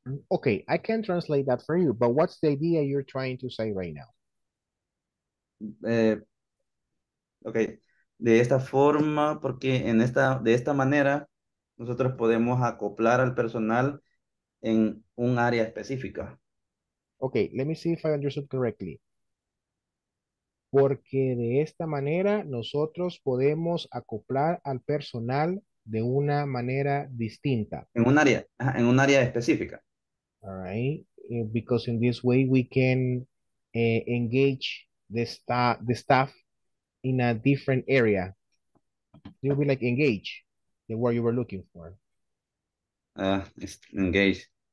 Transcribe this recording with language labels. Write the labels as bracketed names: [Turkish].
[English] Okay, I can translate that for you, but what's the idea you're trying to say right now? Okay. [Spanish] De esta forma, porque en esta, de esta manera, nosotros podemos acoplar al personal en un área específica. [English] Okay, let me see if I understood correctly. [Spanish] Porque de esta manera, nosotros podemos acoplar al personal de una manera distinta. En un área específica. [English] All right, because in this way we can engage the staff in a different area. You'll be like engage, the word you were looking for. It's engage.